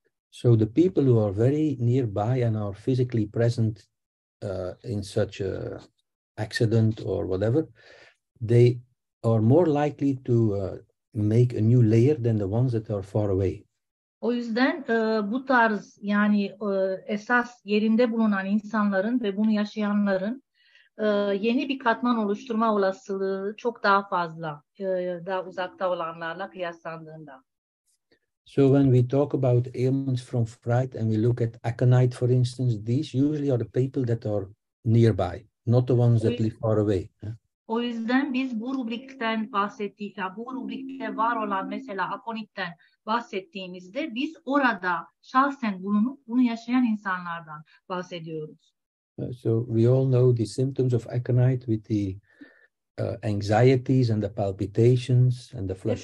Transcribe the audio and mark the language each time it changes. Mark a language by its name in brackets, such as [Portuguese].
[English] So the people who are very nearby and are physically present in such a accident or whatever, they are more likely to make a new layer than the ones that are far away. [Turkish] O yüzden bu tarz yani esas yerinde bulunan insanların ve bunu yaşayanların yeni bir katman oluşturma olasılığı çok daha fazla daha uzakta olanlarla kıyaslandığında. [English] So when we talk about ailments from fright and we look at aconite for instance, these usually are the people that are nearby, not the ones that live far away. [Turkish] O yüzden biz bu rubrikten bahsettiğimiz, yani bu rubrikte var olan mesela akonitten bahsettiğimizde biz orada şahsen bulunup bunu yaşayan insanlardan bahsediyoruz. [English] So we all know the symptoms of aconite with the anxieties and the palpitations and the flushes